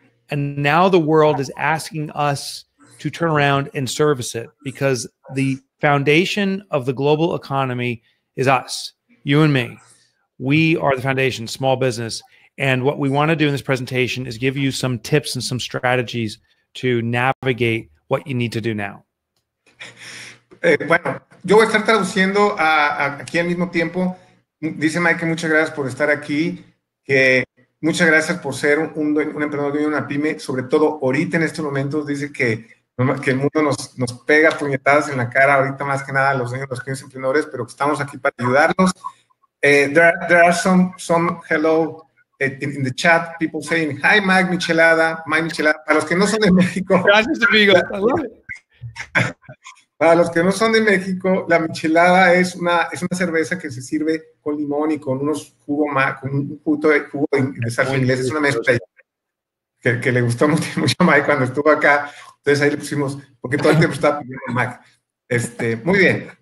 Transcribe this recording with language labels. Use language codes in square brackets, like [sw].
[en] And now the world is asking us to turn around and service it because the foundation of the global economy is us, you and me. We are the foundation, small business. And what we want to do in this presentation is give you some tips and some strategies to navigate what you need to do now. [es] Bueno, yo voy a estar traduciendo aquí al mismo tiempo. Dice Mike, muchas gracias por estar aquí, que muchas gracias por ser un emprendedor de una pyme, sobre todo ahorita en estos momentos. Dice que el mundo nos pega puñetadas en la cara ahorita más que nada a los niños, los pequeños emprendedores, pero que estamos aquí para ayudarlos. [en] There are some hello in the chat, people saying hi Mike Michelada, Mike Michelada. [es] Para los que no son de México, Gracias, amigos. [en] I love it. [es] para los que no son de México, la michelada es una cerveza que se sirve con limón y con unos jugo más, con un puto de jugo de salsa Muy inglesa. Es una mezcla delicioso. que le gustó mucho a Mike cuando estuvo acá. Entonces ahí le pusimos, porque todo el tiempo estaba pidiendo a Mike. Muy bien.